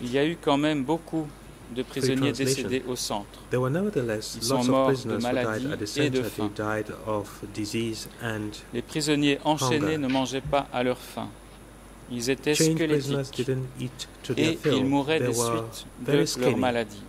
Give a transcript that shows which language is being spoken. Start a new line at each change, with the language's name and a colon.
French: il y a eu quand même beaucoup de prisonniers décédés au centre.
English: There were nevertheless lots of prisoners who died at the center who died of disease and hunger.
French: Les prisonniers enchaînés ne mangeaient pas à leur faim. Ils étaient squelettiques et ils mouraient des suites de leur maladie.